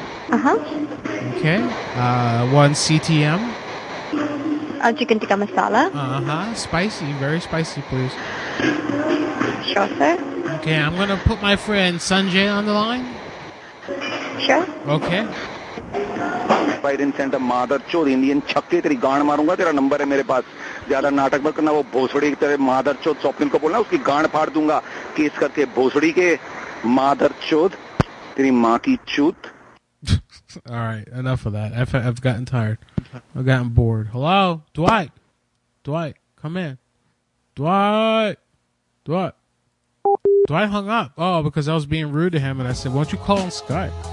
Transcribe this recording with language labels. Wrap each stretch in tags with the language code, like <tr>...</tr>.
<en>Uh-huh. Okay, one CTM? A chicken tikka masala? Uh-huh, spicy, very spicy, please. Sure, sir. Okay, I'm going to put my friend Sanjay on the line. Sure. Okay. Biden sent a mother</en> <hi>चोद Indian छक्के तेरी गांड मारूंगा तेरा number है मेरे पास ज़्यादा नाटक मत करना वो भोसड़ी की तेरे mother चोद स्वप्निल को बोलना उसकी गांड फाड़ दूंगा केस करके भोसड़ी के mother चोद तेरी माँ की चूत.</hi> <en>All right, enough of that. I've gotten tired. I've gotten bored. Hello, Dwight. Dwight, come in. Dwight. Dwight hung up. Oh, because I was being rude to him and I said, "Why don't you call on Skype?"</en>